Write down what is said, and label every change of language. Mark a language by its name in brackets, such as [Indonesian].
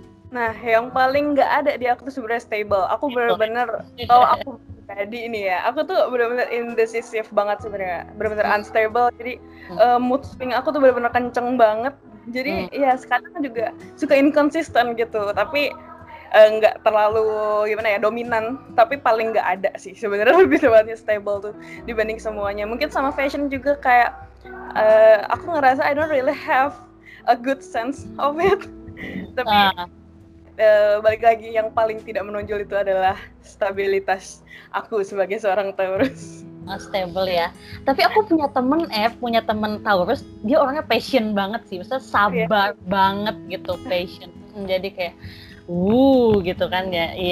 [Indonesian] Nah, yang paling nggak ada di aku tuh sebenarnya stable. Aku benar-benar kalau aku tadi ini ya, aku tuh benar-benar indecisive banget sebenarnya, benar-benar unstable. Jadi [English] mood swing [Indonesian] aku tuh benar-benar kenceng banget. Jadi ya sekarang juga suka inconsistent gitu, tapi nggak terlalu gimana ya, dominan. Tapi paling nggak ada sih sebenarnya, lebih tepatnya stable tuh dibanding semuanya. Mungkin sama fashion juga kayak aku ngerasa [English] I don't really have a good sense of it. [Indonesian] Tapi balik lagi, yang paling tidak menonjol itu adalah stabilitas aku sebagai seorang Taurus. Stable ya. Tapi aku punya temen Taurus, dia orangnya passion banget sih. Maksudnya sabar banget gitu, passion. Jadi kayak, gitu kan ya.